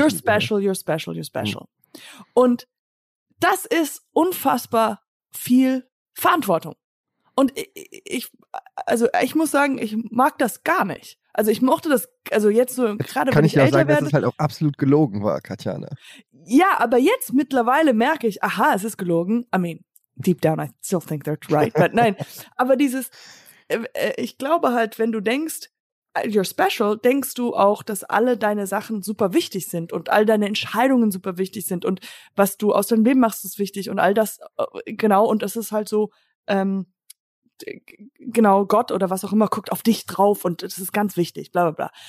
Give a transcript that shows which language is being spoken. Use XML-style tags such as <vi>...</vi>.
<en>you're special, you're special, you're special.</en> <de>Und das ist unfassbar viel Verantwortung. Und ich muss sagen, ich mag das gar nicht. Also ich mochte das, also jetzt so, gerade wenn ich älter werde. sagen, dass es halt auch absolut gelogen war, Katjana. Ja, aber jetzt mittlerweile merke ich, aha, es ist gelogen.</de> <en>I mean, deep down I still think that's right, but</en> <de>nein. Aber dieses, ich glaube halt, wenn du denkst,</de> <en>you're special,</en> <de>denkst du auch, dass alle deine Sachen super wichtig sind und all deine Entscheidungen super wichtig sind und was du aus deinem Leben machst, ist wichtig und all das, genau, und es ist halt so, genau, Gott oder was auch immer guckt auf dich drauf und das ist ganz wichtig, bla bla bla.</de>